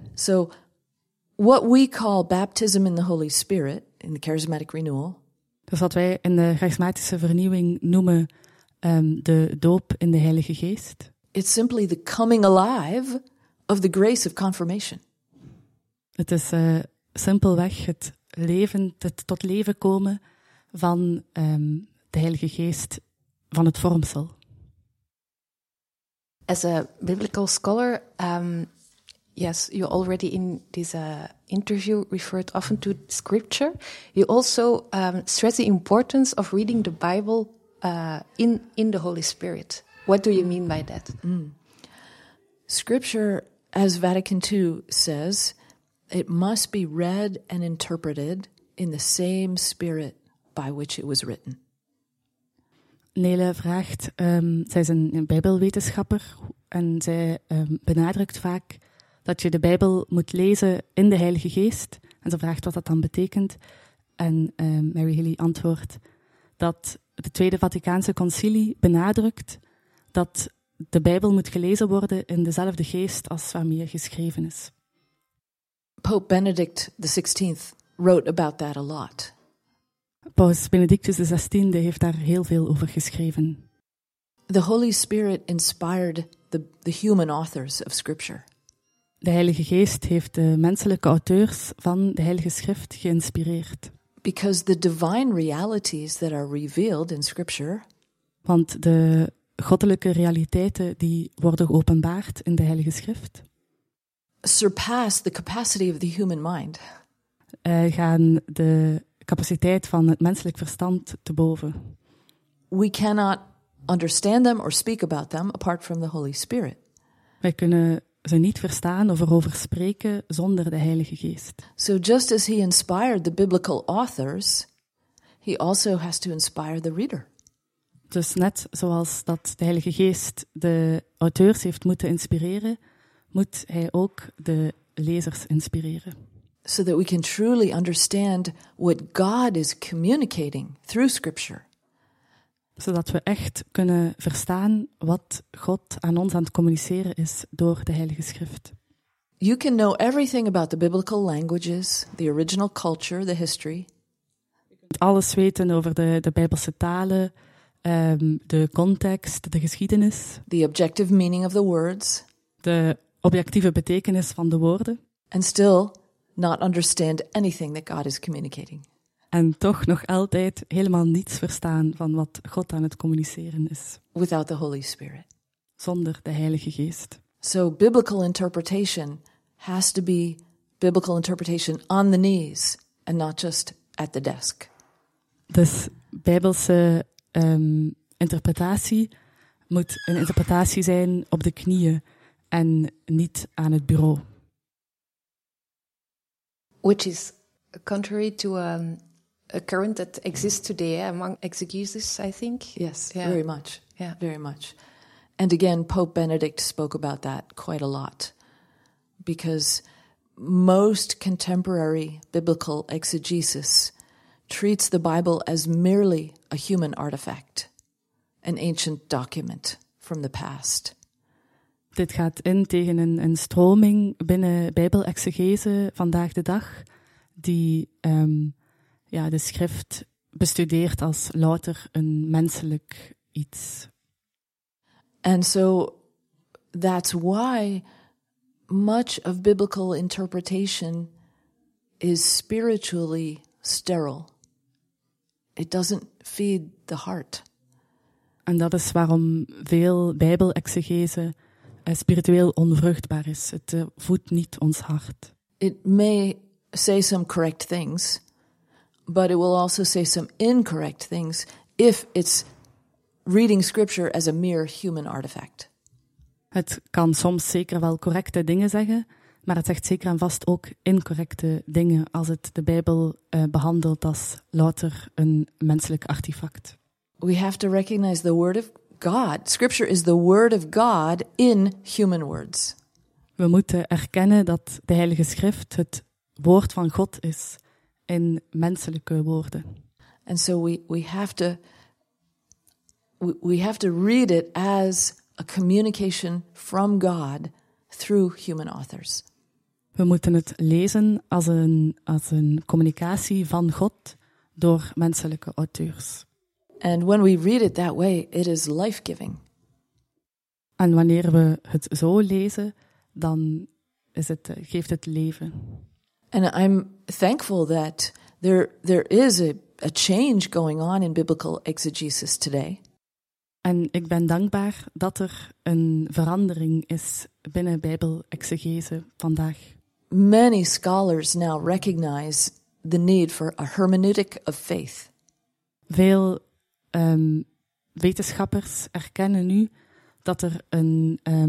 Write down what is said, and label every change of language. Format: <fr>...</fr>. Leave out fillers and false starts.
<en>So, what we call baptism in the Holy Spirit, in the charismatic renewal.</en> <nl>Dus wat wij in de charismatische vernieuwing noemen de doop in de Heilige Geest.</nl> <en>It's simply the coming alive of the grace of confirmation.</en> <nl>Het is simpelweg het tot leven komen van de Heilige Geest van het vormsel.</nl> <en>As a biblical scholar, yes, you already in this interview referred often to scripture. You also stress the importance of reading the Bible in the Holy Spirit. What do you mean by that? Mm. Scripture, as Vatican II says, it must be read and interpreted in the same spirit by which it was written.</en> <nl>Nele vraagt, zij is een Bijbelwetenschapper en zij benadrukt vaak dat je de Bijbel moet lezen in de Heilige Geest. En ze vraagt wat dat dan betekent. En Mary Healy antwoordt dat de Tweede Vaticaanse Concilie benadrukt dat de Bijbel moet gelezen worden in dezelfde geest als waarmee geschreven is.</nl> <en>Pope Benedict XVI wrote about that a lot.</en> <nl>Paus Benedictus XVI heeft daar heel veel over geschreven.</nl> <en>The Holy Spirit inspired the human authors of Scripture.</en> <nl>De Heilige Geest heeft de menselijke auteurs van de Heilige Schrift geïnspireerd.</nl> <en>Because the divine realities that are revealed in Scripture.</en> <nl>Want de goddelijke realiteiten die worden geopenbaard in de Heilige Schrift.</nl> <en>Surpass the capacity of the human mind.</en> <nl>Gaan de capaciteit van het menselijk verstand te boven.</nl> <en>We cannot understand them or speak about them apart from the Holy Spirit.</en> <nl>Wij kunnen ze niet verstaan of erover spreken zonder de Heilige Geest.</nl> <en>So just as he inspired the biblical authors, he also has to inspire the reader.</en> <nl>Dus net zoals dat de Heilige Geest de auteurs heeft moeten inspireren, moet hij ook de lezers inspireren.</nl> <en>So that we can truly understand what God is communicating through Scripture.</en> <nl>Zodat we echt kunnen verstaan wat God aan ons aan het communiceren is door de Heilige Schrift.</nl> <en>You can know everything about the biblical languages, the original culture, the history.</en> <nl>Je kunt alles weten over de Bijbelse talen, de context, de geschiedenis.</nl> <en>The objective meaning of the words.</en> <nl>De objectieve betekenis van de woorden.</nl> <en>And still not understand anything that God is communicating.</en> <nl>En toch nog altijd helemaal niets verstaan van wat God aan het communiceren is.</nl> <en>Without the Holy Spirit.</en> <nl>Zonder de Heilige Geest.</nl> <en>So biblical interpretation has to be biblical interpretation on the knees and not just at the desk.</en> <nl>Dus bijbelse interpretatie moet een interpretatie zijn op de knieën en niet aan het bureau.</nl> <en>Which is contrary to a current that exists today among exegesis, I think. Yes, yeah. Very much. Yeah, very much. And again, Pope Benedict spoke about that quite a lot, because most contemporary biblical exegesis treats the Bible as merely a human artifact, an ancient document from the past.</en> <nl>Dit gaat in tegen een stroming binnen bijbelexegese vandaag de dag, die de schrift bestudeert als louter een menselijk iets.</nl> <en>And so that's why much of biblical interpretation is spiritually sterile. It doesn't feed the heart.</en> <nl>En dat is waarom veel bijbelexegese spiritueel onvruchtbaar is. Het voedt niet ons hart.</nl> <en>It may say some correct things, but it will also say some incorrect things if it's reading scripture as a mere human artifact.</en> <nl>Het kan soms zeker wel correcte dingen zeggen, maar het zegt zeker en vast ook incorrecte dingen als het de Bijbel behandelt als louter een menselijk artefact.</nl> <en>We have to recognize the word of God. Scripture is the word of God in human words.</en> <nl>We moeten erkennen dat de Heilige Schrift het woord van God is in menselijke woorden.</nl> <en>And so we have to read it as a communication from God through human authors.</en> <nl>We moeten het lezen als een communicatie van God door menselijke auteurs.</nl> <en>And when we read it that way, it is life-giving.</en> <nl>En wanneer we het zo lezen, dan geeft het leven.</nl> <en>And I'm thankful that there is a change going on in biblical exegesis today.</en> <nl>En ik ben dankbaar dat er een verandering is binnen bijbelexegese vandaag.</nl> <en>Many scholars now recognize the need for a hermeneutic of faith.</en> <nl>Veel wetenschappers erkennen nu dat er een</nl>